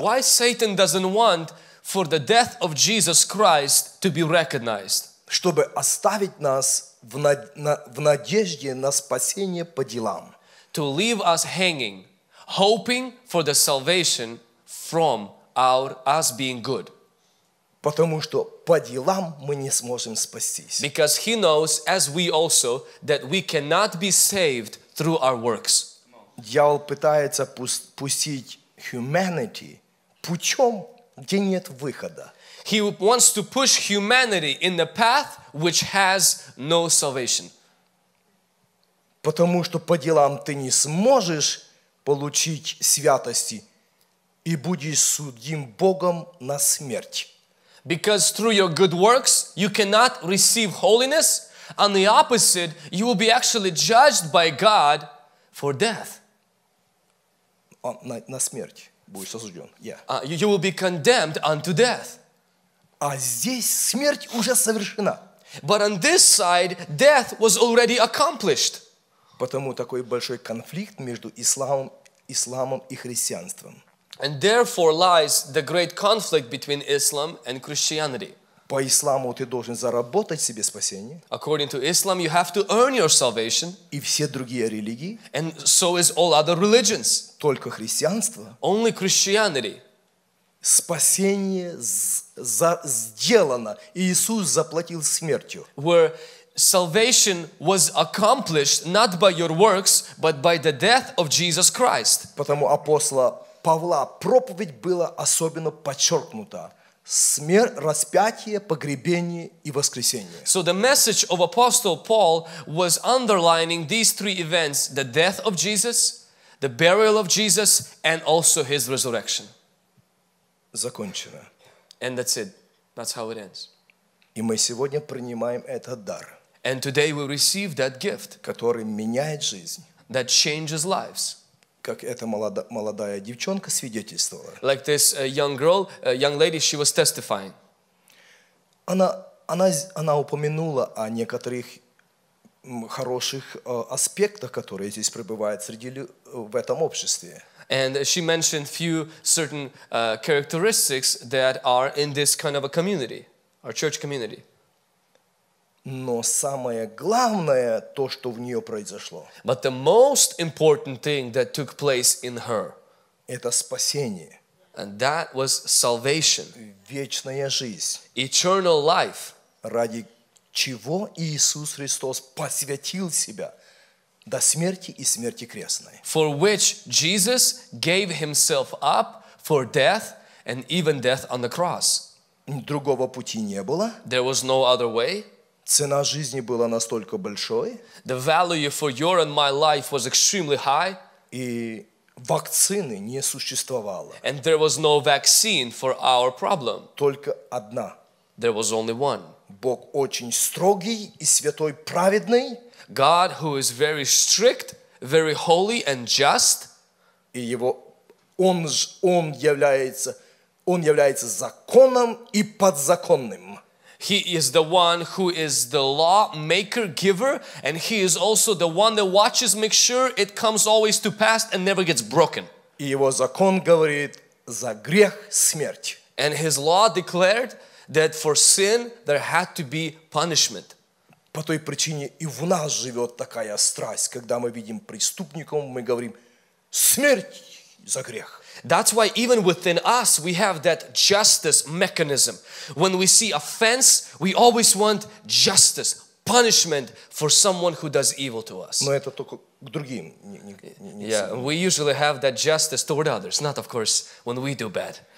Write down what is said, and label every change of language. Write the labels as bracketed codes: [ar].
[en] Why Satan doesn't want for the death of Jesus Christ to be recognized? [ru] Чтобы оставить нас в надежде на спасение по делам. [en] To leave us hanging, hoping for the salvation from our us being good. [ru] Потому что по делам мы не сможем спастись. [en] Because he knows, as we also, that we cannot be saved through our works. [ru] Дьявол пытается пустить humanity путем, где нет выхода. [en] He wants to push humanity in the path which has no salvation. [ru] Потому что по делам ты не сможешь получить святости и будешь судим Богом на смерть. [en] Because through your good works you cannot receive holiness, on the opposite, you will be actually judged by God for death. [ru] На смерть будешь осужден. [en] You will be condemned unto death. [ru] А здесь смерть уже совершена. [en] But on this side, death was already accomplished. [ru] Потому такой большой конфликт между исламом и христианством. [en] And therefore lies the great conflict between Islam and Christianity. [ru] По исламу ты должен заработать себе спасение. [en] According to Islam, you have to earn your salvation. [ru] И все другие религии. [en] And so is all other religions. [ru] Только христианство. [en] Only Christianity. [ru] Спасение сделано. Иисус заплатил смертью. [en] Where salvation was accomplished not by your works, but by the death of Jesus Christ. [ru] Потому апостола Павла проповедь была особенно подчеркнута. Смерть, распятие, погребение и воскресение. [en] So the message of Apostle Paul was underlining these three events: the death of Jesus, the burial of Jesus, and also his resurrection. [ru] Закончено. [en] And that's it. That's how it ends. [ru] И мы сегодня принимаем этот дар. [en] And today we receive that gift, [ru] который меняет жизнь. [en] That changes lives. [ru] как эта молодая девчонка свидетельствовала. [en] Like this young girl, young lady, she was testifying. [ru] Она упомянула о некоторых хороших аспектах, которые здесь пребывают среди в этом обществе. [en] And she mentioned few certain characteristics that are in this kind of a community, our church community. [ru] Но самое главное то, что в нее произошло. [en] But the most important thing that took place in her. [ru] Это спасение. [en] And that was salvation. [ru] Вечная жизнь. [en] Eternal life. [ru] Ради чего Иисус Христос посвятил себя до смерти и смерти крестной. [en] For which Jesus gave himself up for death and even death on the cross. [ru] Другого пути не было. [en] There was no other way. [ru] Цена жизни была настолько большой. [en] The value for your and my life was extremely high. [ru] И вакцины не существовало. [en] And there was no vaccine for our problem. [ru] Только одна. [en] There was only one. [ru] Бог очень строгий и святой праведный. [en] God who is very strict, very holy and just. [ru] И его, он является законом и подзаконным. [en] He is the one who is the law maker, giver, and he is also the one that watches, make sure it comes always to pass and never gets broken. [ru] И его закон говорит, за грех смерть. [en] And his law declared that for sin there had to be punishment. [ru] По той причине и в нас живет такая страсть, когда мы видим преступников, мы говорим, смерть за грех. [en] That's why even within us we have that justice mechanism. When we see offense, we always want justice, punishment for someone who does evil to us. [ru] Но это только к другим. [en] Yeah, we usually have that justice toward others. Not, of course, when we do bad.